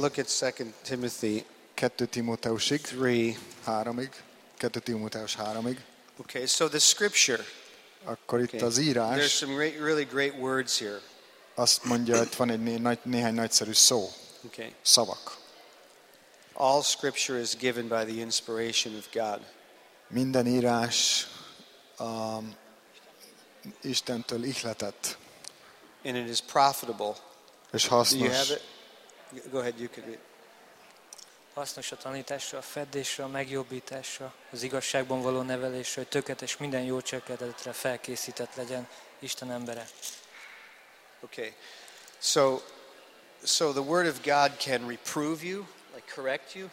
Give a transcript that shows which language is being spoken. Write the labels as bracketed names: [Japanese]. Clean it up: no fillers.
[English] look at 2 Timothy [Hungarian] 2 Timóteusig, [English] 3, [Hungarian] 3-ig, 2 Timóteus 3-ig. [English] Okay, so the scripture. [Hungarian] Akkor itt az írás. [English] There's some great, really great words here. [Hungarian] Azt mondja, hogy van egy néhány nagyszerű szó. [English] Okay. [Hungarian] Szavak. [English] All scripture is given by the inspiration of God. [Hungarian] Minden írás Istentől ihletett. [English] And it is profitable. [Hungarian] És hasznos. [English] Do you have it? Go ahead, you can read. [Hungarian] Hasznos a tanításra, a fedésre, a megjobbításra, az igazságban való nevelésre, hogy tökéletes minden jó cselekedetre felkészített legyen Isten embere. [English] Okay. So the word of God can reprove you, like correct you.